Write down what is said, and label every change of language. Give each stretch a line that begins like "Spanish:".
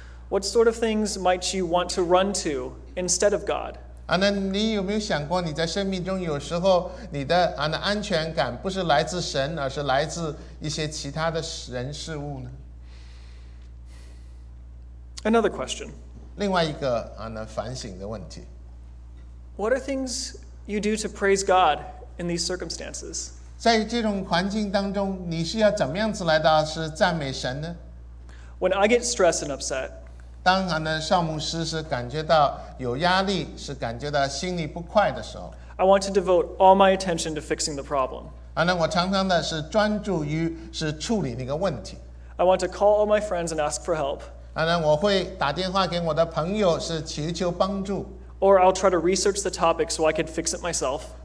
English: What sort of things might you want to run to instead of God?
Chinese: 你有没有想过，你在生命中有时候你的安全感不是来自神，而是来自一些其他的人事物呢？
English: Another question.
Chinese: 另外一个反省的问题。
English: What are things you do to praise God in these circumstances?
Chinese: 在这种环境当中，你是要怎么样子来到是赞美神呢？
English: When I get stressed and upset,
Chinese: 当少牧师是感觉到有压力，是感觉到心里不快的时候，
English: I want to devote all my attention to fixing the problem.
Chinese: 我常常的是专注于是处理那个问题。
English: I want to call all my friends and ask for help.
Chinese: 我会打电话给我的朋友，是祈求帮助。
English: Or I'll try to research the topic so I can fix it myself.